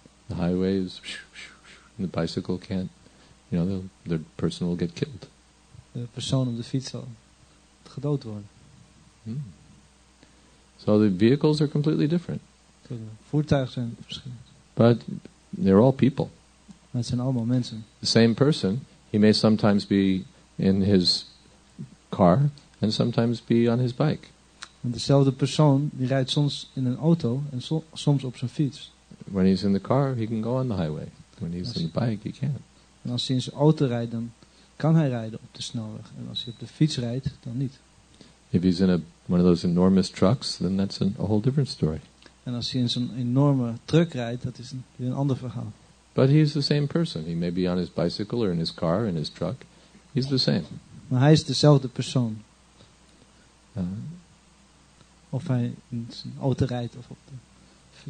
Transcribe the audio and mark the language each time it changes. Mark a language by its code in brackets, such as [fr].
[en] The highway is, and the bicycle can't. You know, the person will get killed. [nl] De persoon op de fiets zal gedood worden. [en] So the vehicles are completely different. [nl] De voertuigen zijn verschillend. [en] But they're all people. [nl] Maar het zijn allemaal mensen. [en] The same person, he may sometimes be in his car and sometimes be on his bike. [nl] En dezelfde persoon die rijdt soms in een auto en soms op zijn fiets. [en] When he's in the car, he can go on the highway. When he's in the bike, he can't. [nl] En als hij in zijn auto rijdt, dan kan hij rijden op de snelweg. En als hij op de fiets rijdt, dan niet. [en] If he's in one of those enormous trucks, then that's a whole different story. [nl] En als hij in zo'n enorme truck rijdt, dat is weer een ander verhaal. [en] But he is the same person. He may be on his bicycle or in his car, in his truck. He's the same. [nl] Maar hij is dezelfde persoon. Of hij in zijn auto rijdt of op de